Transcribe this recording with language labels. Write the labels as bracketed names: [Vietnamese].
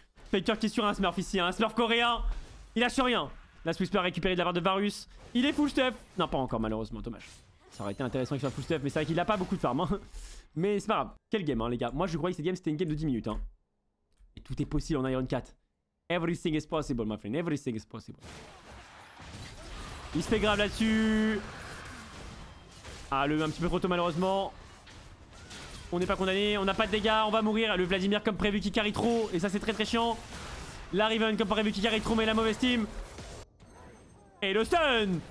[French] Faker qui est sur un smurf ici, un smurf coréen. Il lâche rien. La Swisper récupérée de la part de Varus. Il est full stuff. Non, pas encore, malheureusement. Dommage. Ça aurait été intéressant qu'il soit full stuff. Mais c'est vrai qu'il a pas beaucoup de farm. Hein. Mais c'est pas grave. Quelle game, hein, les gars. Moi, je croyais que cette game c'était une game de 10 minutes. Hein. Et tout est possible en Iron Cat. [English] Everything is possible, my friend. Everything is possible. [French] Il se fait grave là-dessus. Ah, le un petit peu trop tôt malheureusement. On n'est pas condamné, on n'a pas de dégâts, on va mourir. Le Vladimir comme prévu qui carry trop, et ça c'est très très chiant. La Riven comme prévu qui carry trop, mais la mauvaise team. Et le stun.